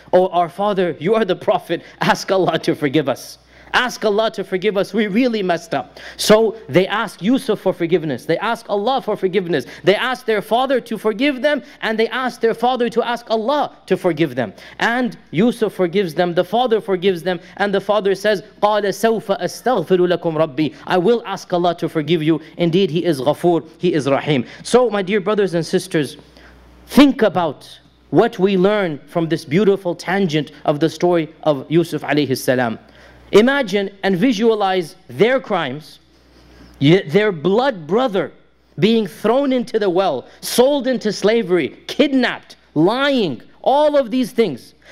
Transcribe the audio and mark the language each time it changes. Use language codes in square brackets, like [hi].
[en] Oh, our father, you are the prophet. Ask Allah to forgive us. Ask Allah to forgive us. We really messed up. So they ask Yusuf for forgiveness. They ask Allah for forgiveness. They ask their father to forgive them. And they ask their father to ask Allah to forgive them. And Yusuf forgives them. The father forgives them. And the father says, [ar] قَالَ سَوْفَ أَسْتَغْفِرُ لَكُمْ رَبِّي. [en] I will ask Allah to forgive you. Indeed, He is Ghafoor. He is Rahim. So my dear brothers and sisters, think about what we learn from this beautiful tangent of the story of Yusuf alayhi salam. Imagine and visualize their crimes, their blood brother being thrown into the well, sold into slavery, kidnapped, lying, all of these things.